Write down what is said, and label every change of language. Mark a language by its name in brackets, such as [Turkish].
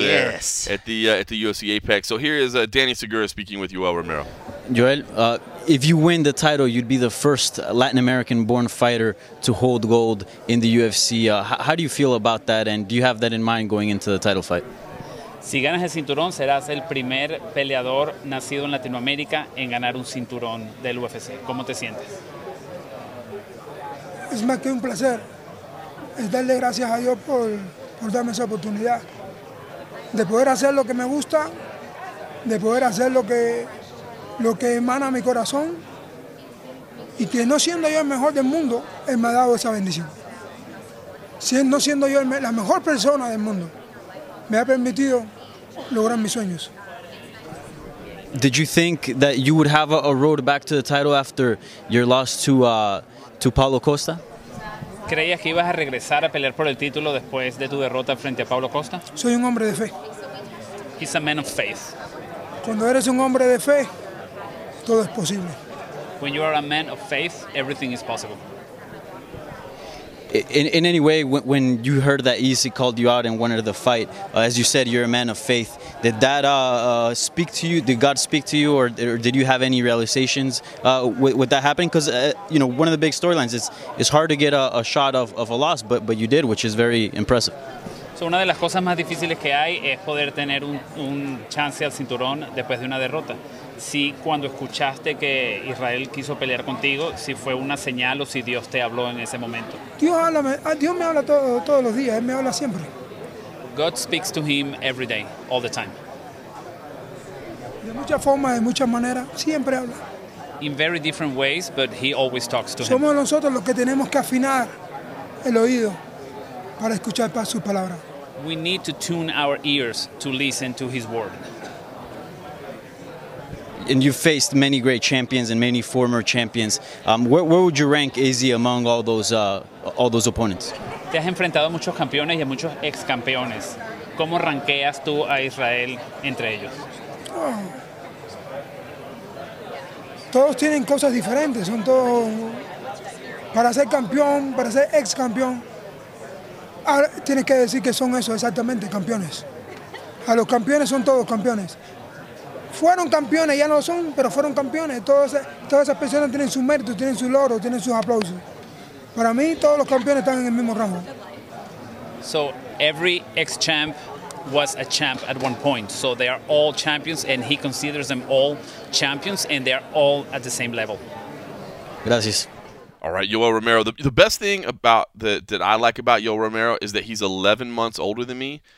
[English] yes. there at the UFC Apex. So here is Danny Segura speaking with Yoel Romero. Yoel, if you win the title, you'd be the first Latin American-born fighter to hold gold in the UFC. How do you feel about that, and do you have that in mind going into the title fight? [Spanish] Si ganas el cinturón, serás el primer peleador nacido en Latinoamérica en ganar un cinturón del UFC. ¿Cómo te sientes? Es más que un placer. Es darle gracias a Dios por darme esa oportunidad. De poder hacer lo que me gusta, de poder hacer lo que emana mi corazón. Y que no siendo yo el mejor del mundo, Él me ha dado esa bendición. No siendo yo la mejor persona del mundo, me ha permitido lograr mis sueños. [English] Did you think that you would have a road back to the title after your loss to Paulo Costa? [Spanish] ¿Creías que ibas a regresar a pelear por el título después de tu derrota frente a Paulo Costa? Soy un hombre de fe. [English] He's a man of faith. [Spanish] Cuando eres un hombre de fe, todo es posible. [English] When you are a man of faith, everything is possible. In any way, when you heard that Izzy called you out and wanted the fight, as you said, you're a man of faith, did that speak to you? Did God speak to you, or did you have any realizations with that happening? Because, you know, one of the big storylines is it's hard to get a shot of a loss, but you did, which is very impressive. [Spanish] So una de las cosas más difíciles que hay es poder tener un chance al cinturón después de una derrota. Si cuando escuchaste que Israel quiso pelear contigo, si fue una señal o si Dios te habló en ese momento. Dios me habla todos los días, Él me habla siempre. [English] God speaks to him every day, all the time. [Spanish] De muchas formas, de muchas maneras, siempre habla. [English] in very different ways, but he always talks to [Spanish] Somos [English] him. [Spanish] Somos nosotros los que tenemos que afinar el oído para escuchar para su palabra. [English] We need to tune our ears to listen to his word. And you've faced many great champions and many former champions. Where would you rank Izzy among all those opponents? [Spanish] Te has enfrentado a muchos campeones y a muchos ex campeones. ¿Cómo rankeas tú a Israel entre ellos? Todos tienen cosas diferentes. Son todos para ser campeón, para ser ex campeón. Ahora tienes que decir que son eso exactamente, campeones. A los campeones son todos campeones. Fueron campeones, ya no lo son, pero fueron campeones. Todas esas personas tienen su mérito, tienen su logro, tienen sus aplausos. Para mí, todos los campeones están en el mismo rango. [English] So, every ex-champ was a champ at one point. So, they are all champions, and he considers them all champions, and they are all at the same level. [Spanish] Gracias. [English] All right, Yoel Romero. The best thing about that I like about Yoel Romero is that he's 11 months older than me.